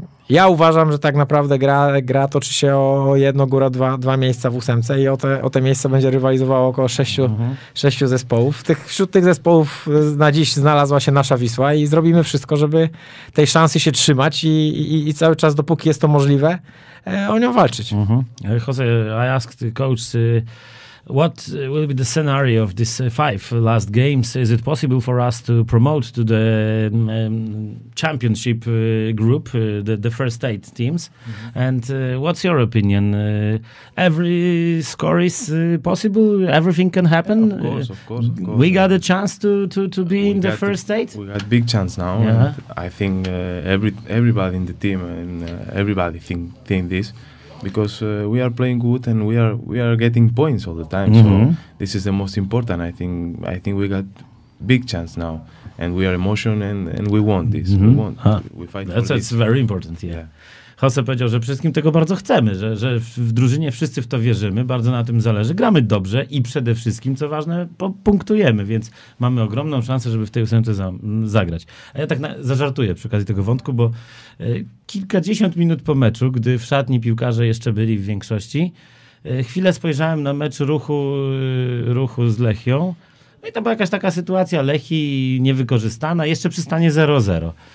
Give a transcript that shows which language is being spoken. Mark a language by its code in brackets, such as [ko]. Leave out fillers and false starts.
[pl] Ja uważam, że tak naprawdę gra toczy się o jedno, góra, dwa miejsca w ósemce i o te miejsca będzie rywalizowało około 6 zespołów. Wśród tych zespołów na dziś znalazła się nasza Wisła i zrobimy wszystko, żeby tej szansy się trzymać i cały czas, dopóki jest to możliwe, o nią walczyć. Mm-hmm. [en] Jose, I asked coach, what will be the scenario of this 5 last games? Is it possible for us to promote to the championship group, the first 8 teams? Mm-hmm. And what's your opinion? Every score is possible? Everything can happen? Yeah, of course. We got a chance to be in the first 8? We got big chance now. Yeah. I think everybody in the team and everybody think this. Because we are playing good and we are getting points all the time, mm-hmm. So this is the most important. I think we got big chance now, and we are emotional and we want this. Mm-hmm. We fight. That's for it's very important. Yeah. [pl] Jose powiedział, że wszystkim tego bardzo chcemy, że w drużynie wszyscy w to wierzymy, bardzo na tym zależy, gramy dobrze i przede wszystkim, co ważne, punktujemy, więc mamy ogromną szansę, żeby w tej ósemce zagrać. A ja tak zażartuję przy okazji tego wątku, bo kilkadziesiąt minut po meczu, gdy w szatni piłkarze jeszcze byli w większości, chwilę spojrzałem na mecz ruchu z Lechią i to była jakaś taka sytuacja, Lechi niewykorzystana, jeszcze przy stanie 0-0.